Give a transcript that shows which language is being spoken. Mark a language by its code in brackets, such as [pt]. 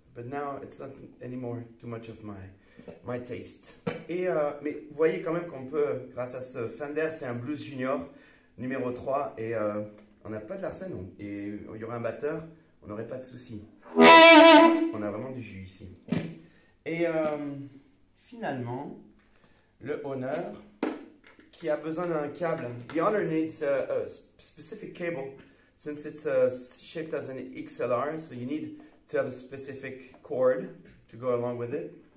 [en] But now, it's not anymore too much of my taste. [fr] Mais vous voyez quand même qu'on peut, grâce à ce Fender, c'est un blues junior numéro 3. Et on n'a pas de larsen, non. Et il y aurait un batteur, on n'aurait pas de soucis. On a vraiment du jus ici. Et finalement, le Honor, qui a besoin d'un câble. [en] The Honor needs a specific cable since it's shaped as an XLR, so you need to have a specific cord to go along with it.